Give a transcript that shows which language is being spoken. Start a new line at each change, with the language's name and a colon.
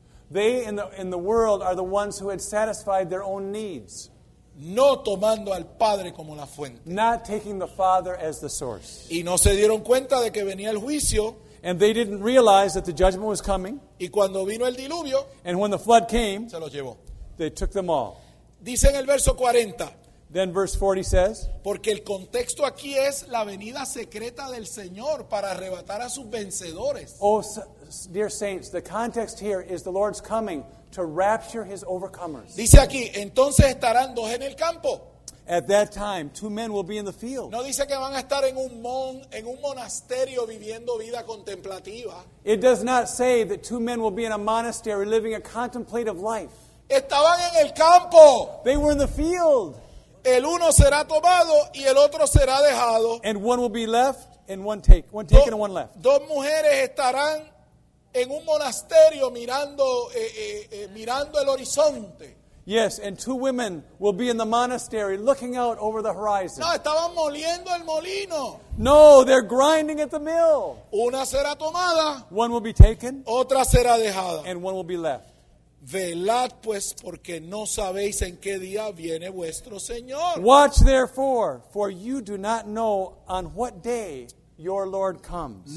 English: They in the world are the ones who had satisfied their own needs.
Spanish: No tomando al Padre como la fuente.
English: Not taking the Father as the source.
Spanish: Y no se dieron cuenta de que venía el juicio.
English: And they didn't realize that the judgment was coming.
Spanish: Y cuando vino el diluvio,
English: and when the flood came,
Spanish: se los llevó.
English: They took them all.
Spanish: Dice en el verso 40.
English: Then verse 40 says,
Spanish: porque el contexto aquí es la venida secreta del Señor para arrebatar a sus vencedores.
English: Oh, dear saints, the context here is the Lord's coming to rapture his overcomers.
Spanish: Dice aquí, entonces estarán dos en el campo.
English: At that time, two men will be in the field.
Spanish: No dice que van a estar en un monasterio viviendo vida contemplativa.
English: It does not say that two men will be in a monastery living a contemplative life.
Spanish: Estaban en el campo.
English: They were in the field.
Spanish: El uno será tomado y el otro será dejado.
English: And one will be left and one taken and one left.
Spanish: Dos mujeres estarán en un monasterio mirando el horizonte.
English: Yes, and two women will be in the monastery looking out over the horizon.
Spanish: No, estaban moliendo el molino.
English: No, they're grinding at the mill.
Spanish: Una será tomada.
English: One will be taken.
Spanish: Otra será dejada.
English: And one will be left.
Spanish: Velad pues, porque no sabéis en qué día viene vuestro Señor.
English: Watch therefore, for you do not know on what day your Lord comes.